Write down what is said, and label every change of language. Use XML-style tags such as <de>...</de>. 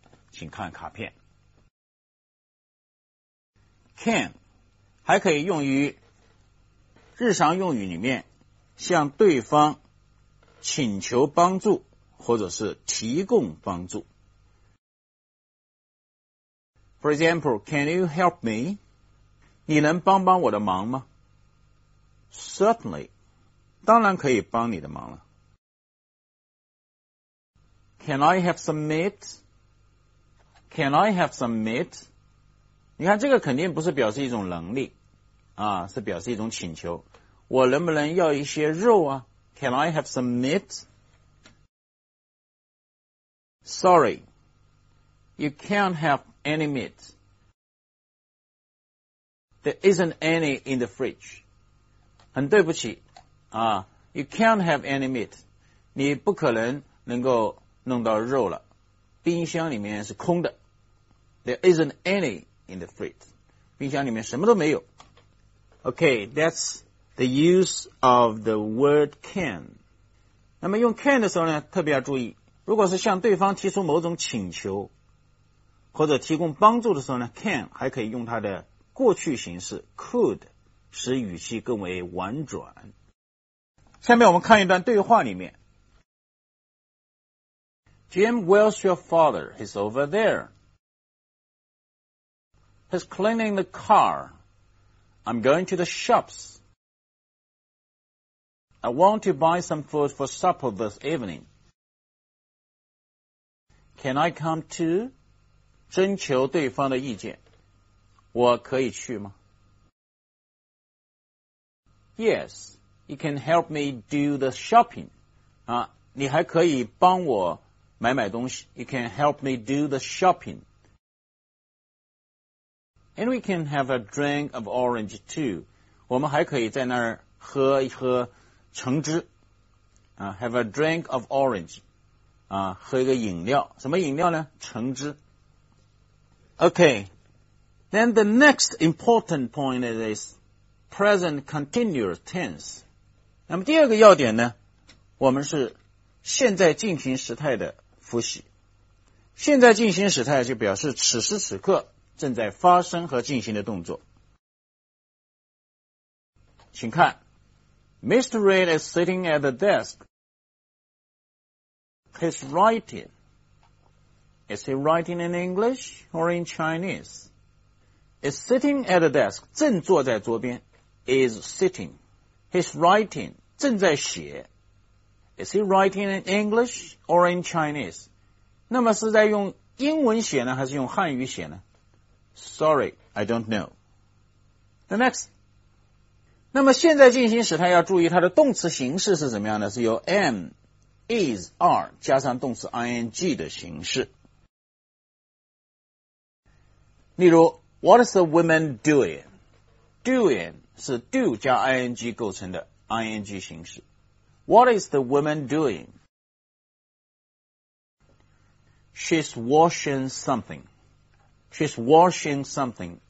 <zh>请看卡片。</zh> <en>Can</en> <zh>还可以用于日常用语里面向对方请求帮助或者是提供帮助。</zh> <en>For example, can you help me?</en> <zh>你能帮帮我的忙吗？</zh> <en>Certainly,</en> <zh>当然可以帮你的忙了。</zh> <en>Can I have some meat? Can I have some meat?</en> <zh>你看这个肯定不是表示一种能力啊，是表示一种请求。我能不能要一些肉啊？</zh> <en>Can I have some meat? Sorry, you can't have any meat. There isn't any in the fridge.</en> <zh>很对不起啊，</zh> <en>you can't have any meat.</en> <zh>你不可能能够弄到肉了，冰箱里面是空的。</zh> <en>There isn't anyIn the fridge.</en> <zh>冰箱里面什么都没有。</zh> <en>Okay, that's the use of the word can.</en> <zh>那么用 can 的时候呢，特别要注意，如果是向对方提出某种请求或者提供帮助的时候呢， can 还可以用它的过去形式 could， 使语气更为婉转。下面我们看一段对话里面。</zh> <en>Jim, where's your father? He's over there. He's cleaning the car. I'm going to the shops. I want to buy some food for supper this evening. Can I come too?</en> <zh>征求对方的意见。我可以去吗？</zh> <en>Yes, you can help me do the shopping.</en> <zh>啊，你还可以帮我买买东西。</zh> <en>You can help me do the shopping. And we can have a drink of orange too.</en> <zh>我们还可以在那儿喝一喝橙汁。</zh> <en>Have a drink of orange.</en> <zh>喝一个饮料。什么饮料呢？橙汁。Okay.</zh> <en>Then the next important point is present continuous tense.</en> <zh>那么第二个要点呢，我们是现在进行时态的复习。现在进行时态就表示此时此刻正在发生和进行的动作。请看</zh> <en>Mr. Reid is sitting at the desk. He's writing. Is he writing in English or in Chinese? Is sitting at the desk</en> <zh>正坐在桌边</zh> <en>is sitting. He's writing</en> <zh>正在写</zh> <en>is he writing in English or in Chinese?</en> <zh>那么是在用英文写呢还是用汉语写呢？</zh> <en>Sorry, I don't know. The next,</en> <zh>那么现在进行时它要注意它的动词形式是怎么样的，是由 am, is, are 加上动词 ing 的形式。例如</zh> <en>What is the woman doing?</en> <zh>Doing 是 do 加 ing 构成的 ing 形式。</zh> <en>What is the woman doing? She's washing something. She's washing something.</en>